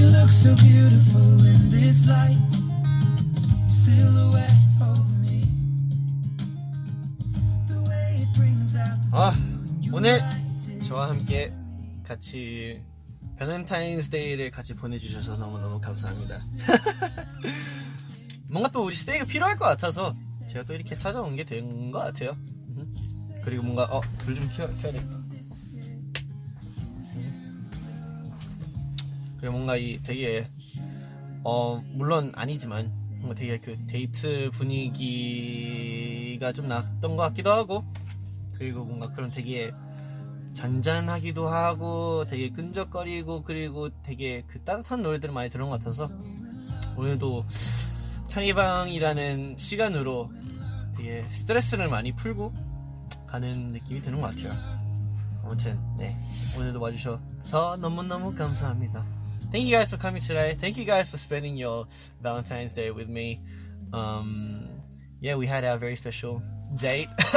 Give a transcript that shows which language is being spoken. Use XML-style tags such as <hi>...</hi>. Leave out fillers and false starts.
<en>So beautiful in this light, silhouette over me. The way it brings out.</en> <ko>아, 오늘 저와 함께 같이 밸런타인스 데이를 같이 보내주셔서 너무너무 감사합니다. 뭔가 또 우리 스테이가 필요할 것 같아서 제가 또 이렇게 찾아온 게 된 것 같아요. 그리고 뭔가 불 좀 켜야 될까. 그리고 뭔가 이 되게 물론 아니지만 뭔가 되게 그 데이트 분위기가 좀 났던 것 같기도 하고 그리고 뭔가 그런 되게 잔잔하기도 하고 되게 끈적거리고 그리고 되게 그 따뜻한 노래들을 많이 들은 것 같아서 오늘도 찬이방이라는 시간으로 되게 스트레스를 많이 풀고 가는 느낌이 드는 것 같아요. 아무튼 네, 오늘도 와주셔서 너무너무 감사합니다.</ko> <en>Thank you guys for coming today. Thank you guys for spending your Valentine's Day with me. Yeah, we had our very special date.</en>